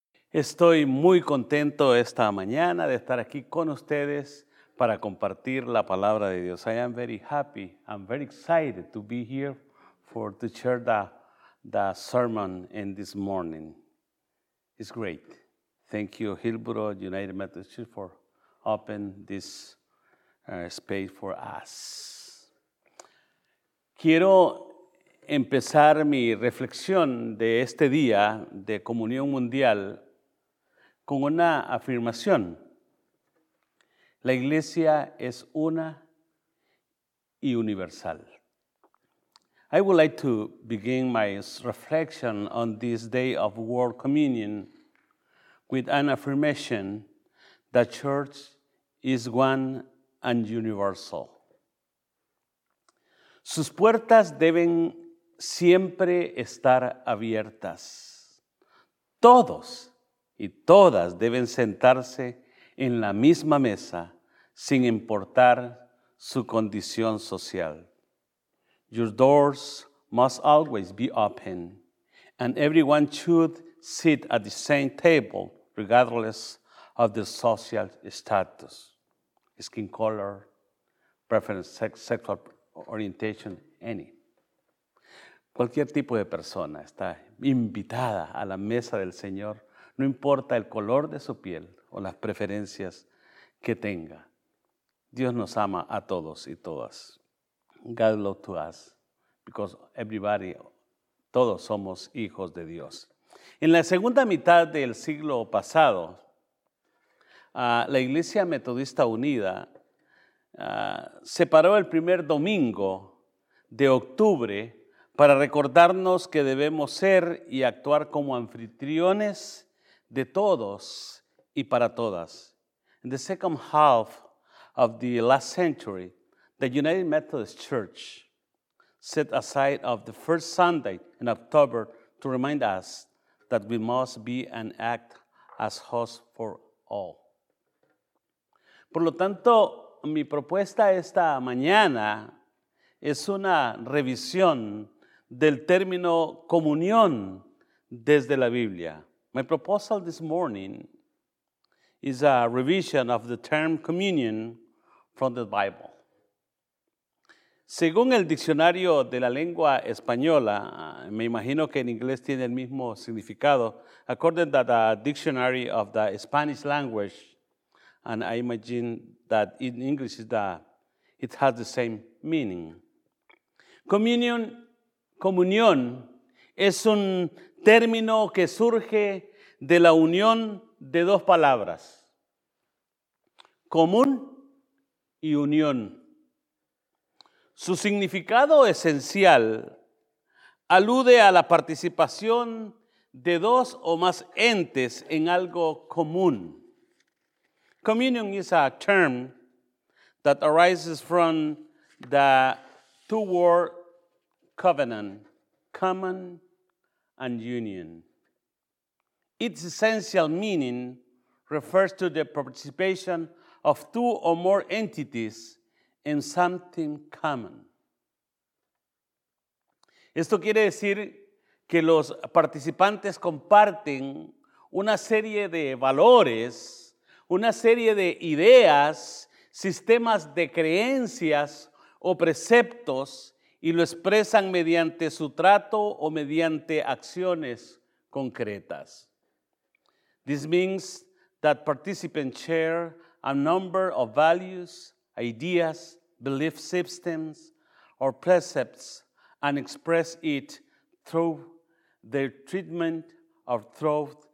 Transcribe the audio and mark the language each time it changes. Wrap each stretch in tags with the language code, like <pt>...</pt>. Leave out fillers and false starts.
<es>Estoy muy contento esta mañana de estar aquí con ustedes para compartir la palabra de Dios.</es> <en>I am very happy. I'm very excited to be here for to share the sermon in this morning. It's great. Thank you, Hillsboro United Methodist Church, for opening this space for us.</en> <es>Quiero empezar mi reflexión de este día de Comunión Mundial con una afirmación. La iglesia es una y universal.</es> <en>I would like to begin my reflection on this day of World Communion with an affirmation that church is one and universal.</en> <es>Sus puertas deben siempre estar abiertas. Todos y todas deben sentarse en la misma mesa sin importar su condición social.</es> <en>Your doors must always be open, and everyone should sit at the same table regardless of their social status, skin color, preference, sexual orientation, any.</en> <es>Cualquier tipo de persona está invitada a la mesa del Señor. No importa el color de su piel o las preferencias que tenga. Dios nos ama a todos y todas.</es> <en>God loves to us because everybody,</en> <es>todos somos hijos de Dios. En la segunda mitad del siglo pasado, la Iglesia Metodista Unida separó el primer domingo de octubre para recordarnos que debemos ser y actuar como anfitriones de todos y para todas.</es> <en>In the second half of the last century, the United Methodist Church set aside of the first Sunday in October to remind us that we must be and act as hosts for all.</en> <es>Por lo tanto, mi propuesta esta mañana es una revisión del término comunión desde la Biblia.</es> <en>My proposal this morning is a revision of the term communion from the Bible.</en> <es>Según el diccionario de la lengua española, me imagino que en inglés tiene el mismo significado,</es> <en>according to the dictionary of the Spanish language, and I imagine that in English it has the same meaning.</en> <es>Comunión es un término que surge de la unión de dos palabras, común y unión. Su significado esencial alude a la participación de dos o más entes en algo común.</es> <en>Communion is a term that arises from the two-word covenant, common and union. Its essential meaning refers to the participation of two or more entities in something common.</en> <es>Esto quiere decir que los participantes comparten una serie de valores, una serie de ideas, sistemas de creencias o preceptos y lo expresan mediante su trato o mediante acciones concretas.</es> <en>This means that participants share a number of values, ideas, belief systems, or precepts and express it through their treatment or through</en>